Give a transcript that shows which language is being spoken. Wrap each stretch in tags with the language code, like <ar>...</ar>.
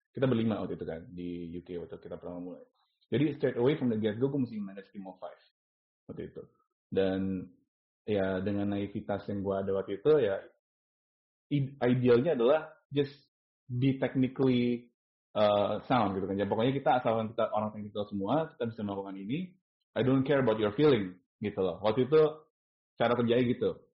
<id>Kita berlima waktu itu kan di UK waktu kita pertama mulai. Jadi</id> <en>straight away from the get-go</en> <id>gue mesti</id> <en>manage team of 5.</en> <id>Waktu itu. Dan ya dengan naivitas yang gue ada waktu itu ya idealnya adalah</id> <en>just be technically sound</en> <id>gitu kan. Jadi pokoknya kita asalkan kita orang technical semua, kita bisa melakukan ini.</id> <en>I don't care about your feeling</en> <id>gitu loh. Waktu itu cara kerjanya gitu.</id>